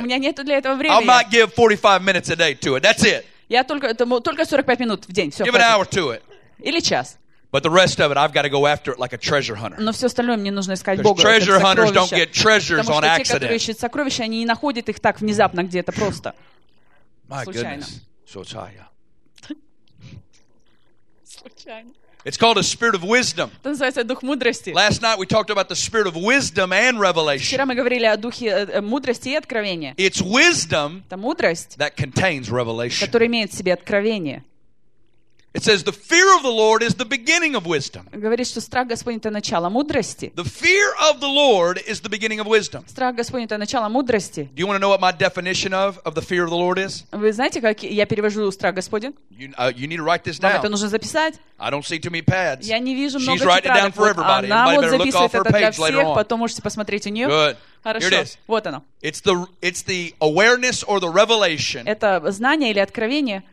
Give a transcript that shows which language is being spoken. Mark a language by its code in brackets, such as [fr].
[ru] У меня нет для этого времени. [en] I might give 45 minutes a day to it. That's it. [ru] Я только 45 минут в день. Все, [en] give an hour to it. [ru] Или час. [en] But the rest of it, I've got to go after it like a treasure hunter. [ru] Но все остальное мне нужно искать Бога. [en] Treasure hunters don't get treasures on accident. [ru] Потому что те, которые ищут сокровища, они не находят их так внезапно где-то просто. [en] My goodness. So it's high, yeah. [ru] Случайно. [en] It's called a spirit of wisdom. [ru] Это называется дух мудрости. [en] Last night we talked about the spirit of wisdom and revelation. [ru] Вчера мы говорили о духе мудрости и откровения. [en] It's wisdom. [ru] Это мудрость. [en] That contains revelation. [ru] Которая имеет в себе откровение. [en] It says the fear of the Lord is the beginning of wisdom. [ru] Говорит, что страх Господень это начало мудрости. [en] The fear of the Lord is the beginning of wisdom. [ru] Страх Господень это начало мудрости. [en] Do you want to know what my definition of the fear of the Lord is? [ru] Вы знаете, как я перевожу страх Господень? [en] You need to write this down. [ru] Это нужно записать. [en] I don't see too many pads. [ru] Я не вижу много. [en] She's writing it down for everybody. [ru] Она вот записывает это для всех. Потом можете посмотреть у нее. [en] Good. [ru] Хорошо. [en] Here it is. [ru] Вот оно. [en] It's the awareness or the revelation. [ru] Это знание или откровение.